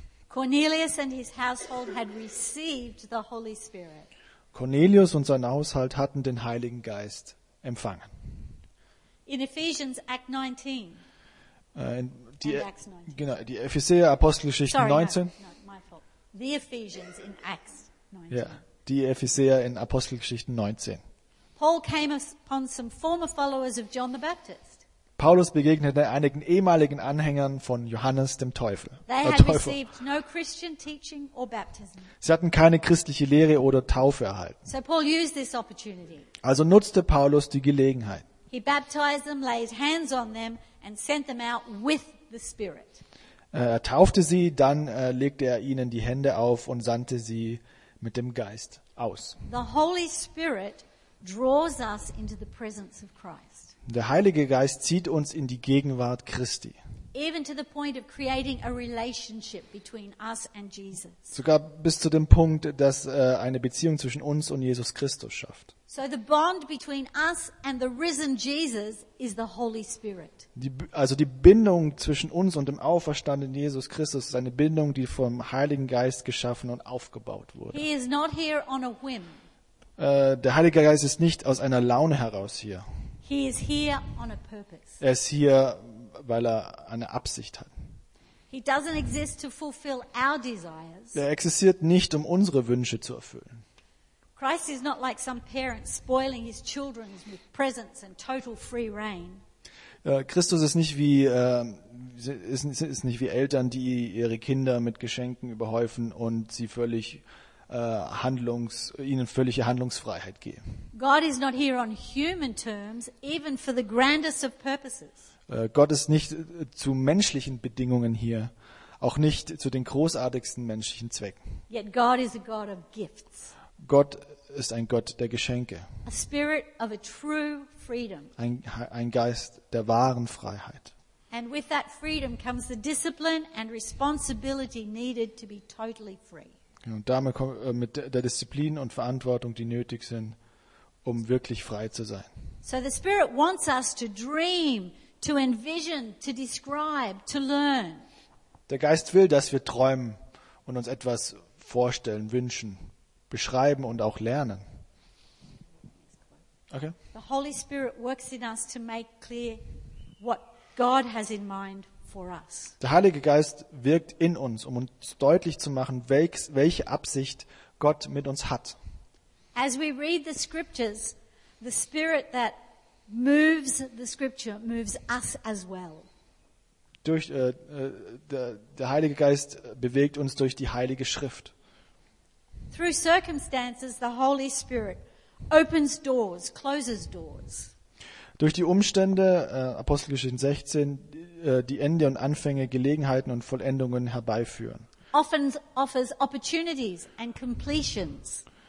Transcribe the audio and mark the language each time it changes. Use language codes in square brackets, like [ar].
[en] Cornelius and his household had received the Holy Spirit. [de] Cornelius und sein Haushalt hatten den Heiligen Geist empfangen. [en] In Ephesians Act 19. [de] Die Epheser Apostelgeschichte 19. [en] The Ephesians in Acts 19. [de] Ja, die Epheser in Apostelgeschichte 19. [en] Paul came upon some former followers of John the Baptist. [de] Paulus begegnete einigen ehemaligen Anhängern von Johannes dem Täufer. [en] They had received no Christian teaching or baptism. [de] Sie hatten keine christliche Lehre oder Taufe erhalten. [en] So Paul used this opportunity. [de] Also nutzte Paulus die Gelegenheit. [en] He baptized them, laid hands on them and sent them out with the Spirit. [de] Er taufte sie, dann legte er ihnen die Hände auf und sandte sie mit dem Geist aus. [en] The Holy Spirit draws us into the presence of Christ. [de] Der Heilige Geist zieht uns in die Gegenwart Christi. [en] Even to the point of creating a relationship between us and Jesus. [de] Sogar bis zu dem Punkt, dass eine Beziehung zwischen uns und Jesus Christus schafft. [en] So the bond between us and the risen Jesus is the Holy Spirit. [de] Also die Bindung zwischen uns und dem auferstandenen Jesus Christus ist eine Bindung, die vom Heiligen Geist geschaffen und aufgebaut wurde. [en] He is not here on a whim. [de] Der Heilige Geist ist nicht aus einer Laune heraus hier. [en] He is here on a purpose. [de] Er ist hier, weil er eine Absicht hat. [en] He doesn't exist to fulfill our desires. [de] Er existiert nicht, um unsere Wünsche zu erfüllen. [en] Christ is not like some parent spoiling his children with presents and total free reign. [de] Christus ist nicht wie ist nicht wie Eltern, die ihre Kinder mit Geschenken überhäufen und sie völlig ihnen völlige Handlungsfreiheit geben. [en] God is not here on human terms, even for the grandest of purposes. [de] Gott ist nicht zu menschlichen Bedingungen hier, auch nicht zu den großartigsten menschlichen Zwecken. [en] Yet God is a God of gifts. [de] Gott ist ein Gott der Geschenke. [en] A spirit of a true freedom. [de] Ein Geist der wahren Freiheit. [en] And with that freedom comes the discipline and responsibility needed to be totally free. [de] Und damit kommt mit der Disziplin und Verantwortung, die nötig sind, um wirklich frei zu sein. [en] So the Spirit wants us to dream, to envision, to describe, to learn. [de] Der Geist will, dass wir träumen und uns etwas vorstellen, wünschen, beschreiben und auch lernen. [en] Okay. The Holy Spirit works in us to make clear what God has in mind. [de] Der Heilige Geist wirkt in uns, um uns deutlich zu machen, welche Absicht Gott mit uns hat. [en] As we read the scriptures, the spirit that moves the scripture moves us as well. [de] Durch der Heilige Geist bewegt uns durch die Heilige Schrift. [en] Through circumstances, the Holy Spirit opens doors, closes doors. [de] Durch die Umstände, Apostelgeschichte 16, die Ende und Anfänge, Gelegenheiten und Vollendungen herbeiführen. [en] Often offers opportunities and completions.